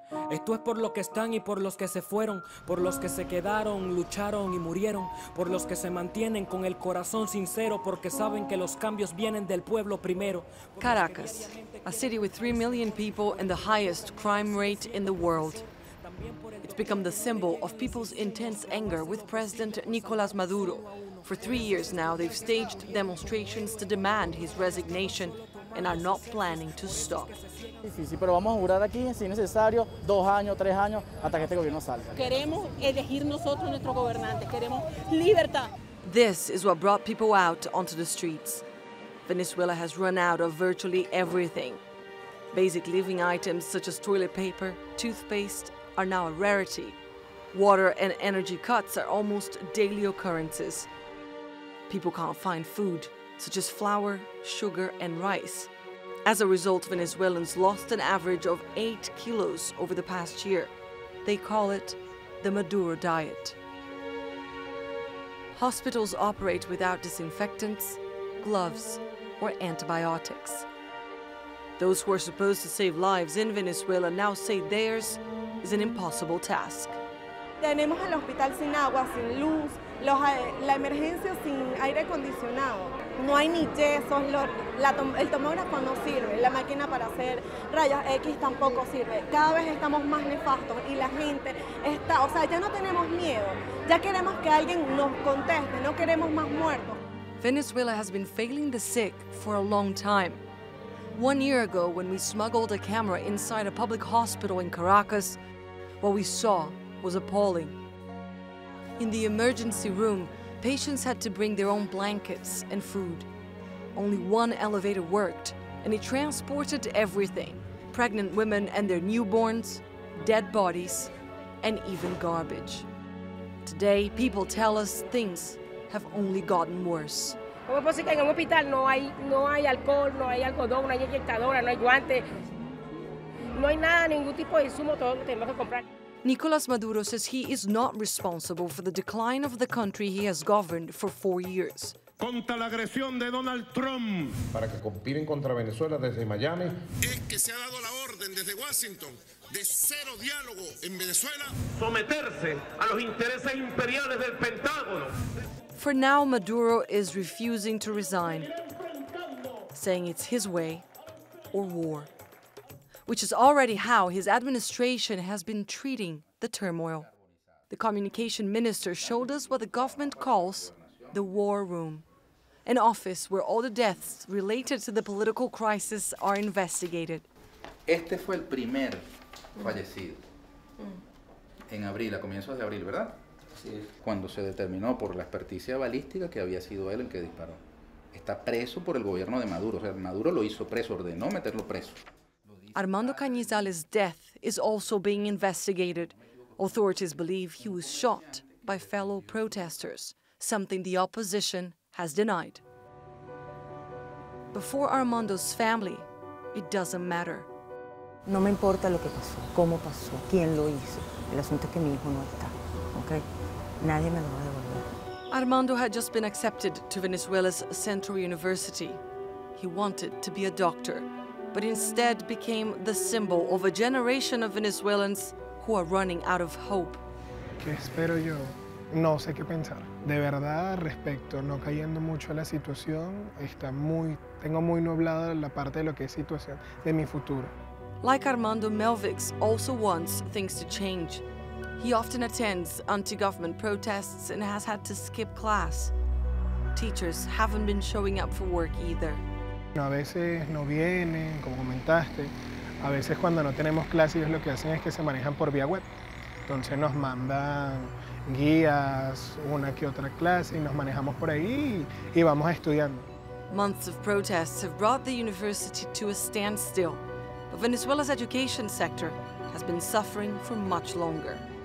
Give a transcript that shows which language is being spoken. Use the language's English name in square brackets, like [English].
[Spanish] Esto es por los que están y por los que se fueron, por los que se quedaron, lucharon y murieron, por los que se mantienen con el corazón sincero porque saben que los cambios vienen del pueblo primero. [English] Caracas, a city with 3 million people and the highest crime rate in the world. It's become the symbol of people's intense anger with President Nicolas Maduro. For 3 years now, they've staged demonstrations to demand his resignation and are not planning to stop. [Spanish] Sí, pero vamos a jurar aquí, si es necesario, 2 años, 3 años, hasta que este gobierno salga. Queremos elegir nosotros nuestro gobernante. Queremos libertad. [English] This is what brought people out onto the streets. Venezuela has run out of virtually everything. Basic living items such as toilet paper, toothpaste, are now a rarity. Water and energy cuts are almost daily occurrences. People can't find food, such as flour, sugar, and rice. As a result, Venezuelans lost an average of 8 kilos over the past year. They call it the Maduro diet. Hospitals operate without disinfectants, gloves, or antibiotics. Those who are supposed to save lives in Venezuela now say theirs is an impossible task. [Spanish] Tenemos el hospital sin agua, sin luz, la emergencia sin aire acondicionado. No hay ni yesos, el tomógrafo no sirve, la máquina para hacer rayos X tampoco sirve. Cada vez estamos más nefastos y la gente está, o sea, ya no tenemos miedo. Ya queremos que alguien nos conteste, no queremos más muertos. [English] Venezuela has been failing the sick for a long time. 1 year ago, when we smuggled a camera inside a public hospital in Caracas, what we saw was appalling. In the emergency room, patients had to bring their own blankets and food. Only one elevator worked, and it transported everything: pregnant women and their newborns, dead bodies, and even garbage. Today, people tell us things have only gotten worse. [Spanish] ¿Cómo es posible que en un hospital no hay alcohol, no hay algodón, no hay inyectadora, no hay guantes? No hay nada, ningún tipo de insumo, todo lo tenemos que comprar. [English] Nicolas Maduro says he is not responsible for the decline of the country he has governed for 4 years. [Spanish] Contra la agresión de Donald Trump. Para que conspiren contra Venezuela desde Miami. Es que se ha dado la orden desde Washington de cero diálogo en Venezuela. Someterse a los intereses imperiales del Pentágono. [English] For now, Maduro is refusing to resign, saying it's his way or war, which is already how his administration has been treating the turmoil. The communication minister showed us what the government calls the war room, an office where all the deaths related to the political crisis are investigated. [Spanish] Este fue el primer fallecido en abril, a comienzos de abril, ¿verdad? Sí. Cuando se determinó por la experticia balística que había sido él el que disparó. Está preso por el gobierno de Maduro. O sea, Maduro lo hizo preso, ordenó meterlo preso. [English] Armando Cañizales' death is also being investigated. Authorities believe he was shot by fellow protesters, something the opposition has denied. But for Armando's family, it doesn't matter. [Spanish] No me importa lo que pasó, cómo pasó, quién lo hizo. El asunto es que mi hijo no está, okay? Nadie me lo va a devolver. [English] Armando had just been accepted to Venezuela's Central University. He wanted to be a doctor, but instead became the symbol of a generation of Venezuelans who are running out of hope. [Spanish] ¿Qué espero yo? No sé qué pensar. De verdad, respecto, no cayendo mucho a la situación, tengo muy nublada la parte de lo que es situación de mi futuro. [English] Like Armando, Melvix also wants things to change. He often attends anti-government protests and has had to skip class. Teachers haven't been showing up for work either. [Spanish] No, a veces no vienen, como comentaste. A veces cuando no tenemos clases, lo que hacen es que se manejan por vía web. Entonces nos mandan guías, una que otra clase, y nos manejamos por ahí y vamos estudiando. [English] Months of protests have brought the university to a standstill, but Venezuela's education sector has been suffering for much longer.